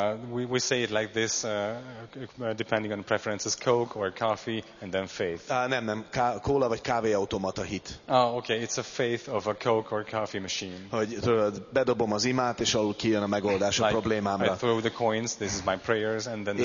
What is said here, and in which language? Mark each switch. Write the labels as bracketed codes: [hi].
[en] We say it like this, depending on preferences, Coke or coffee, and then faith. [hu] Nem, kóla vagy kávé automata hit. [en] Oh, okay, it's a faith of a Coke or coffee machine. [hu] Hogy tudod, bedobom az imát, és alul kijön a megoldás a problémámra. [en] Like, I throw the coins, this is my prayers, and then the